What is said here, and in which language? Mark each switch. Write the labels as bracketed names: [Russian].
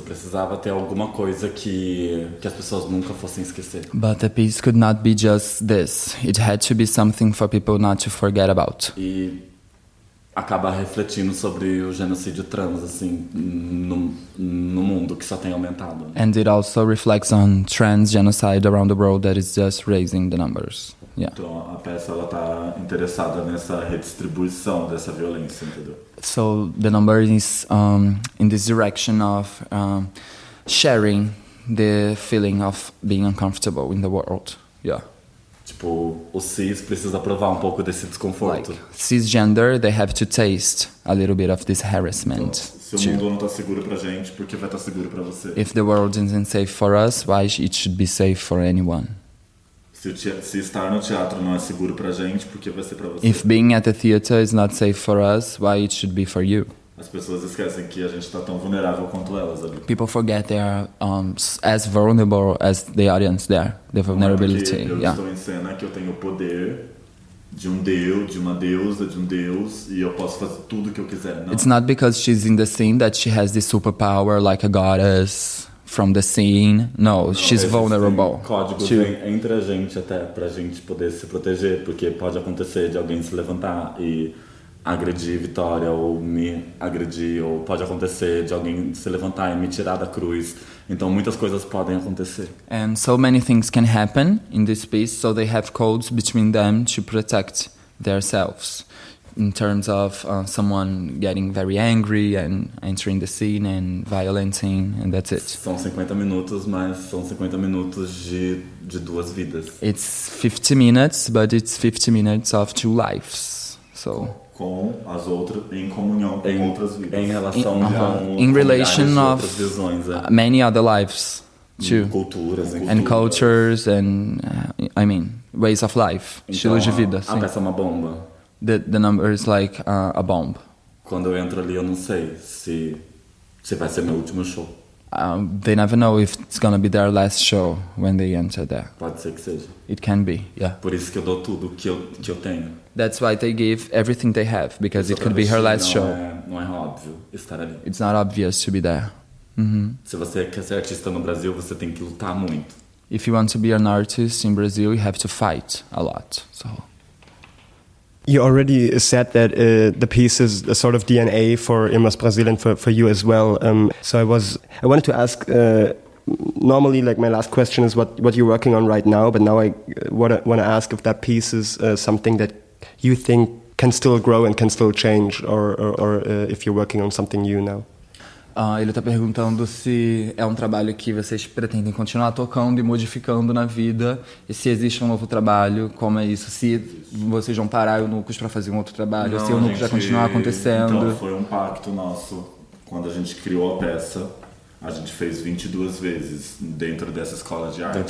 [Portuguese] Precisava ter alguma coisa que as pessoas nunca fossem esquecer. [English] But the piece could not be just this. It had to be something for people not to forget about. [Portuguese] E acaba refletindo sobre o genocídio trans, assim, no mundo, que só tem aumentado. [English] And it also reflects on trans genocide around the world that is just raising the numbers. Yeah. [Portuguese] Então a peça, ela tá interessada nessa redistribuição dessa violência, entendeu? [English] So the number is in this direction of sharing the feeling of being uncomfortable in the world. Yeah. [Portuguese] Tipo, o cis precisa provar um pouco desse desconforto. [English] Like, cisgender, they have to taste a little bit of this harassment. [Portuguese] Então, se o mundo não tá seguro pra gente, por que vai estar tá seguro pra você? [English] If the world isn't safe for us, why it should be safe for anyone? [Portuguese] Se estar no teatro não é seguro pra gente, por que vai ser pra você? [English] If being at the theater is not safe for us, why it should be for you? [Portuguese] As pessoas esquecem que a gente tá tão vulnerável quanto elas ali. [English] People forget they are as vulnerable as the audience there. The vulnerability, [Portuguese] não é porque eu estou em cena que eu tenho o poder de um deus, de uma deusa, de um deus, e eu posso fazer tudo o que eu quiser, não. [English] It's not because she's in the scene that she has this superpower like a goddess from the scene. No, she's vulnerable. [Portuguese] Código [English] to... [Portuguese] entre a gente até pra gente poder se proteger, porque pode acontecer de alguém se levantar e agredir Vitória ou me agredir, ou pode acontecer de alguém se levantar e me tirar da cruz. Então muitas coisas podem acontecer. [English] And so many things can happen in this piece, so they have codes between them to protect themselves in terms of someone getting very angry and entering the scene and violating, and that's it. [Portuguese] São 50 minutos, mas são 50 minutos de duas vidas. [English] It's 50 minutes, but it's 50 minutes of two lives. So [Portuguese] com as outras em comunhão com em, outras vidas em relação a [English] in relation of [Portuguese] visões, [English] many other lives too, [Portuguese] culturas [English] and cultures and I mean ways of life, estilos [Portuguese] então, de vida. A peça é uma bomba. [English] The number is like a bomb. [Portuguese] Quando eu entro ali eu não sei se vai ser meu último show. [English] They never know if it's gonna be their last show when they enter there. [Portuguese] Pode ser que seja. [English] It can be, yeah. [Portuguese] Por isso que eu dou tudo que eu tenho. [English] That's why they give everything they have, because it could be her last show. [Portuguese] Não é óbvio estar ali. [English] It's not obvious to be there. [Portuguese] Se você quer ser artista no Brasil, você tem que lutar muito. [English] If you want to be an artist in Brazil, you have to fight a lot, so... You already said that the piece is a sort of DNA for IMAS Brasil and for you as well. So I wanted to ask normally, like, my last question is what you're working on right now, but now I want to ask if that piece is something that you think can still grow and can still change, or if you're working on something new now. [Portuguese] Ele está perguntando se é um trabalho que vocês pretendem continuar tocando e modificando na vida, e se existe um novo trabalho, como é isso, se vocês vão parar o Núcleos para fazer um outro trabalho, não, se o Núcleos vai continuar acontecendo. Então, foi um pacto nosso. Quando a gente criou a peça, a gente fez 22 vezes dentro dessa escola de arte.